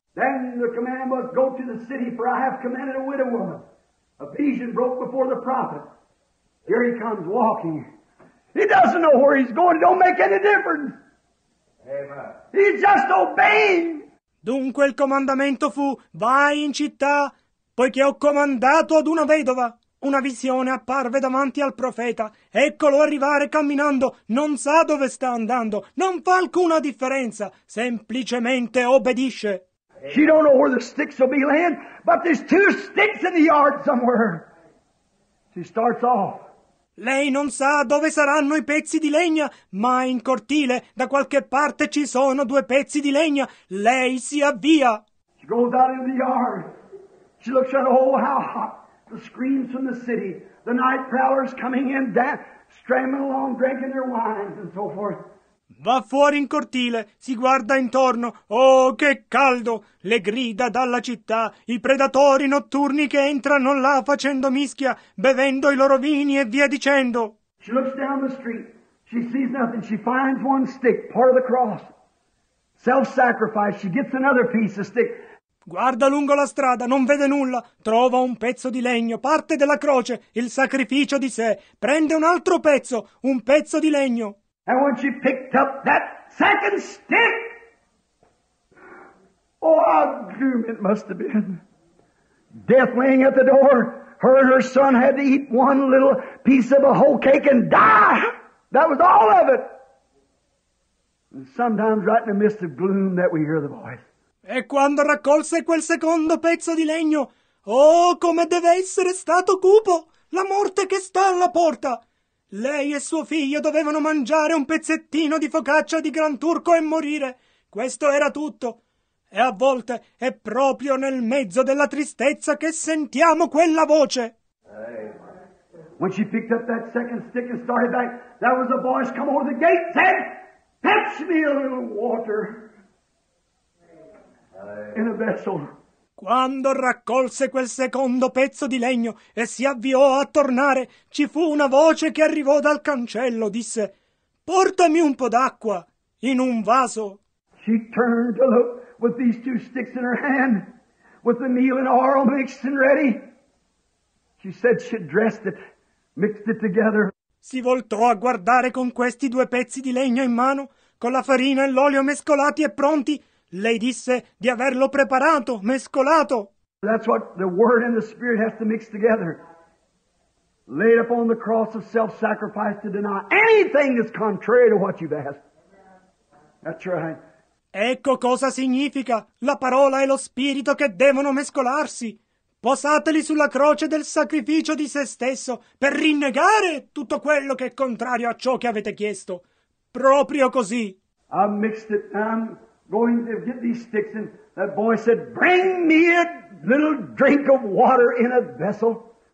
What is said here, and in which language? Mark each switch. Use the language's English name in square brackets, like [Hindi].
[English] Then the command was, go to the city, for I have commanded a widow woman. A vision broke before the prophet. Here he comes walking. He doesn't know where he's going. It don't make any difference. Amen. He's just obeying. [Italian] Dunque il comandamento fu, vai in città, poiché ho comandato ad una vedova. Una visione apparve davanti al profeta. Eccolo arrivare camminando. Non sa dove sta andando. Non fa alcuna differenza. Semplicemente obbedisce. [English] She don't know where the sticks will be laying, but there's two sticks in the yard somewhere. She starts off. [Italian] Lei non sa dove saranno i pezzi di legna, ma in cortile da qualche parte ci sono due pezzi di legna. Lei si avvia. [English] She goes out in the yard. She looks at, oh, how hot. The screams from the city. The night prowlers coming in, stramming along, drinking their wine and so forth. [Italian] Va fuori in cortile, si guarda intorno. Oh, che caldo! Le grida dalla città, i predatori notturni che entrano là facendo mischia, bevendo i loro vini e via dicendo. [English] She looks down the street. She sees nothing. She finds one stick, part of the cross. Self-sacrifice. She gets another piece of stick. [Italian] Guarda lungo la strada, non vede nulla. Trova un pezzo di legno, parte della croce, il sacrificio di sé. Prende un altro pezzo, un pezzo di legno. [English] And when she picked up that second stick, oh, how doomed it must have been. Death laying at the door, her and her son had to eat one little piece of a whole cake and die. That was all of it. And sometimes right in the midst of gloom that we hear the voice. [Italian] E quando raccolse quel secondo pezzo di legno, oh, come deve essere stato cupo, la morte che sta alla porta. Lei e suo figlio dovevano mangiare un pezzettino di focaccia di Gran Turco e morire. Questo era tutto. E a volte è proprio nel mezzo della tristezza che sentiamo quella voce. [English] When she picked up that second stick and started back, there was a voice come over the gate and said, fetch me a little water in a vessel. [Italian] Quando raccolse quel secondo pezzo di legno e si avviò a tornare, ci fu una voce che arrivò dal cancello, disse, portami un po' d'acqua in un vaso. [English] She turned to look with these two sticks in her hand, with the meal and oil mixed and ready. She said she dressed it, mixed it together. [Italian] Si voltò a guardare con questi due pezzi di legno in mano, con la farina e l'olio mescolati e pronti. Lei disse di averlo preparato, mescolato. [English] That's what the word and the spirit has to mix together. Laid upon the cross of self-sacrifice to deny anything that's contrary to what you've asked. That's right. [Italian] Ecco cosa significa la parola e lo spirito che devono mescolarsi. Posateli sulla croce del sacrificio di se stesso per rinnegare tutto quello che è contrario a ciò che avete chiesto. Proprio così. [English] I've mixed it and going to get these sticks, and that boy said, bring me a little drink of water in a vessel.